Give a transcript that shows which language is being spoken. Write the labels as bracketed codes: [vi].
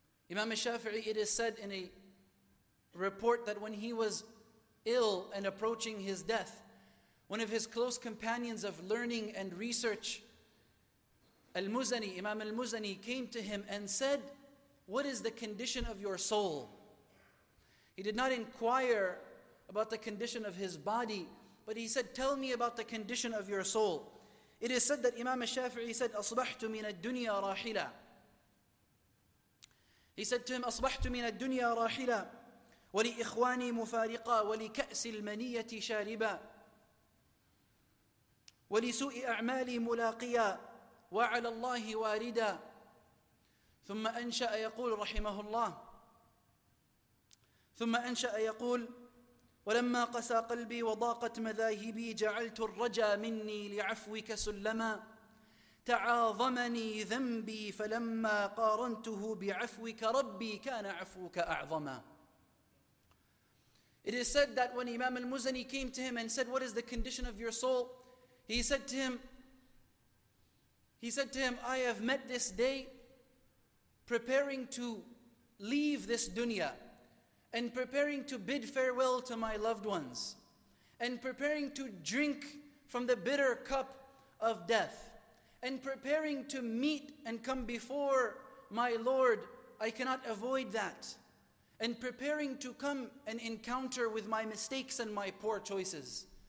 [en] Imam al-Shafi'i, it is said in a report that when he was ill and approaching his death, one of his close companions of learning and research, Imam al-Muzani, came to him and said, what is the condition of your soul? He did not inquire about the condition of his body, but he said, tell me about the condition of your soul. It is said that Imam al-Shafi'i said, [ar] أَصْبَحْتُ مِنَ الدُّنْيَا رَاحِلًا. [en] He said to him, [ar] أَصْبَحْتُ مِنَ الدُّنْيَا رَاحِلًا وَلِإِخْوَانِي مُفَارِقًا وَلِكَأْسِ الْمَنِيَّةِ شَارِبًا وَلِسُوءِ أَعْمَالِي مُلَاقِيًا وَعَلَى اللَّهِ وَارِدًا ثُمَّ أَنْشَأَ يَقُولُ رَحِمَهُ اللَّهُ ثم أنشأ يقول ولما قسى قلبي وضاقت مذاهبي جعلت الرجا مني لعفوك سلما تعاظمني ذنبي فلما قارنته بعفوك ربي كان عفوك أعظما. [en] It is said that when Imam al-Muzani came to him and said, what is the condition of your soul? He said to him, I have met this day preparing to leave this dunya and preparing to bid farewell to my loved ones, and preparing to drink from the bitter cup of death, and preparing to meet and come before my Lord, I cannot avoid that, and preparing to come and encounter with my mistakes and my poor choices.